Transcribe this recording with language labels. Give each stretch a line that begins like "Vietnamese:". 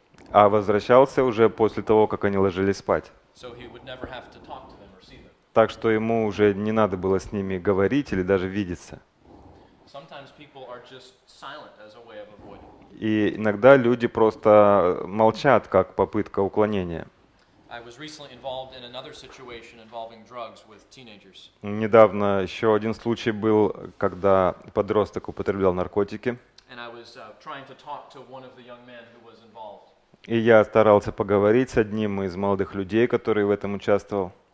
Russian: А возвращался уже после того, как они ложились спать.
English: So he would never have to talk to them or see them.
Russian: Так что ему уже не надо было с ними говорить или даже видеться.
English: Sometimes people are just silent as a way of avoiding.
Russian: И иногда люди просто молчат, как попытка уклонения.
English: I was recently involved in another situation involving drugs with teenagers.
Russian: Недавно еще один случай был, когда подросток употреблял наркотики.
English: And I was trying to talk to one of the young men who was involved.
Russian: И я старался поговорить с одним из молодых людей, который в этом участвовал.